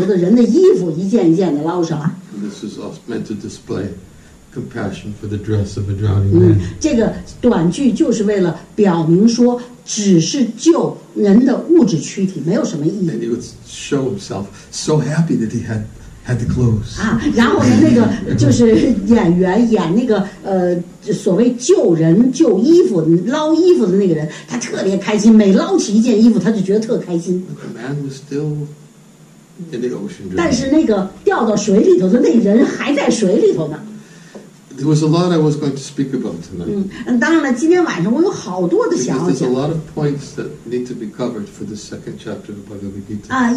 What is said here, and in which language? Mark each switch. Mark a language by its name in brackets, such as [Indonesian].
[Chinese] 然后呢，那个奉献者就演那个在船上的那个人，就一直不断的把那个掉到水里头的人的衣服一件一件的捞上来。 [English] This is meant to display. Compassion for the dress of a drowning man. [Chinese] 这个短剧就是为了表明说，只是救人的物质躯体没有什么意义。 [English] And he would show himself so happy that he had the clothes. [Chinese] 然后呢，那个就是演员演那个所谓救人、救衣服、捞衣服的那个人，他特别开心。每捞起一件衣服，他就觉得特开心。 [English] But the man was still in the ocean. [Chinese] 但是那个掉到水里头的那人还在水里头呢。 [English] There was a lot I was going to speak about tonight. [Chinese] 当然了，今天晚上我有好多的想法。 [English] Because there's a lot of points that need to be covered for the second chapter of Bhagavad Gita.